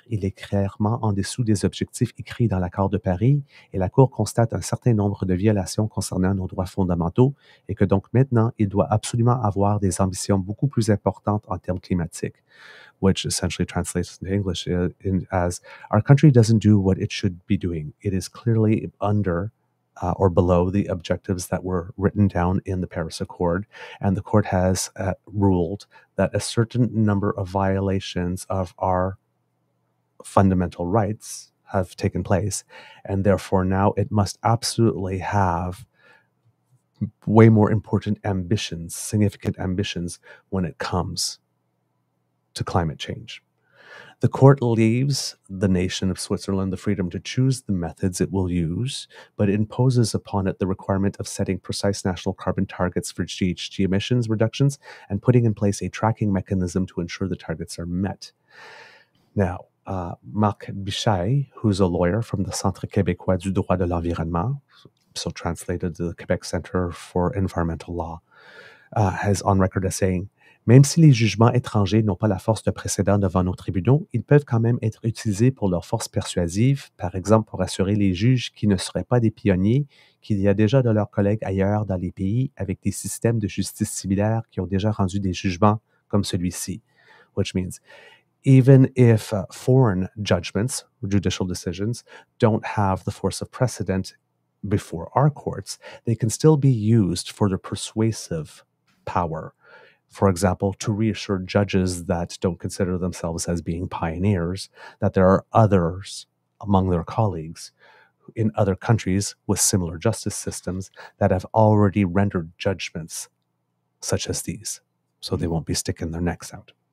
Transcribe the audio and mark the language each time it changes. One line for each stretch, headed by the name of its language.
French: Il est clairement en dessous des objectifs écrits dans l'accord de Paris et la Cour constate un certain nombre de violations concernant nos droits fondamentaux et que donc maintenant, il doit absolument avoir des ambitions beaucoup plus importantes en termes climatiques."
English: Which essentially translates into English as, "Our country doesn't do what it should be doing. It is clearly under or below the objectives that were written down in the Paris Accord. And the court has ruled that a certain number of violations of our fundamental rights have taken place. And therefore now it must absolutely have way more important ambitions, significant ambitions when it comes to climate change." The court leaves the nation of Switzerland the freedom to choose the methods it will use, but imposes upon it the requirement of setting precise national carbon targets for GHG emissions reductions and putting in place a tracking mechanism to ensure the targets are met. Now, Marc Bichai, who's a lawyer from the Centre québécois du droit de l'environnement, so translated to the Quebec Center for Environmental Law, has on record as saying,
French: "Même si les jugements étrangers n'ont pas la force de précédent devant nos tribunaux, ils peuvent quand même être utilisés pour leur force persuasive, par exemple pour assurer les juges qui ne seraient pas des pionniers qu'il y a déjà de leurs collègues ailleurs dans les pays avec des systèmes de justice similaires qui ont déjà rendu des jugements comme celui-ci."
English: Which means, even if foreign judgments, judicial decisions, don't have the force of precedent before our courts, they can still be used for their persuasive power. For example, to reassure judges that don't consider themselves as being pioneers, that there are others among their colleagues in other countries with similar justice systems that have already rendered judgments such as these, so they won't be sticking their necks out.